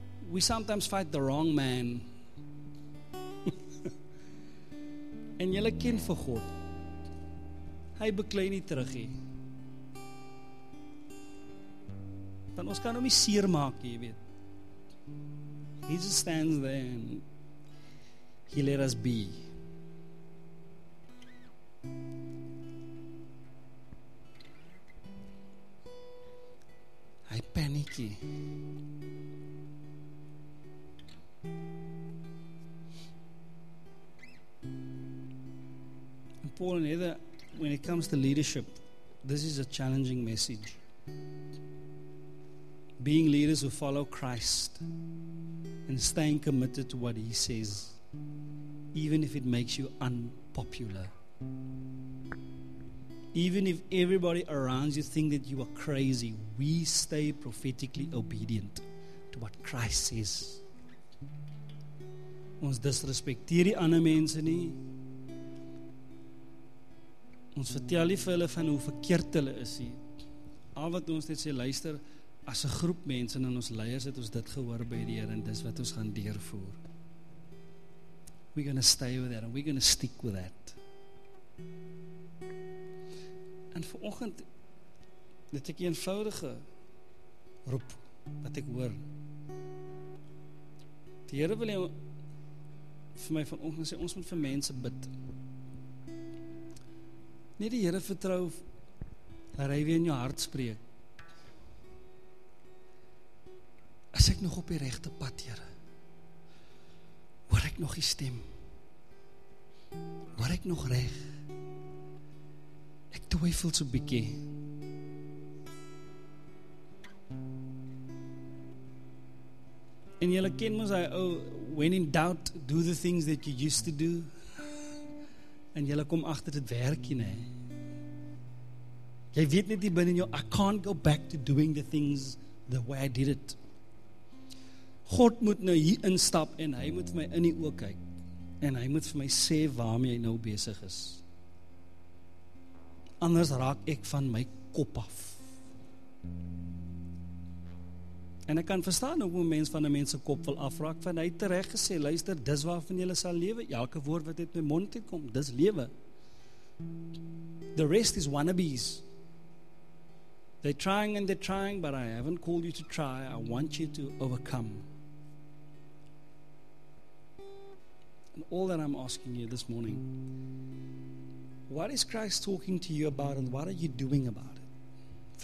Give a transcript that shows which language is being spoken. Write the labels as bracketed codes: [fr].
[en] We sometimes fight the wrong man. [af] En jylle ken vir God. Hy beklei nie terug hier. Dan ons kan hom nie seer maak, jy weet. [en] He just stands there and he let us be. [af] Hy panicky. [en] Paul and Heather, when it comes to leadership, this is a challenging message. Being leaders who follow Christ and staying committed to what he says, even if it makes you unpopular. Even if everybody around you think that you are crazy, we stay prophetically obedient to what Christ says. [af] Ons disrespekteer die ander mense nie. Ons vertel nie vir hulle van hoe verkeerd hulle is hier. Al wat ons net sê, luister, as 'n groep mense en ons leiers het ons dit gehoor by die Here en dis wat ons gaan deurvoer. [en] We're going to stay with that and we're going to stick with that. [af] En vanoggend het ek 'n eenvoudige roep wat ek hoor. Die Here wil vir my vanoggend sê, ons moet vir mense bid. Nee, die Here vertrou dat hy weer in jou hart spreek. Is ek nog op die regte pad, Here? Hoor ek nog die stem? Hoor ek nog reg? twyfel so 'n bietjie. En julle ken mos hy ou, [en] when in doubt, do the things that you used to do. [af] En julle kom agter dit werk nie. Jy weet net hier binne in jou, [en] I can't go back to doing the things the way I did it. [af] God moet nou hier instap en hy moet vir my in die oë kyk. En hy moet vir my sê waarmee hy nou besig is. Anders raak ek van my kop af. En ek kan verstaan hoe 'n mens van 'n mens se kop wil afraak, want hy het tereg gesê, luister, dis waarvan jy sal lewe. Elke woord wat uit my mond uitkom, dis lewe. [en] The rest is wannabes. They're trying, but I haven't called you to try. I want you to overcome. And all that I'm asking you this morning, what is Christ talking to you about and what are you doing about it?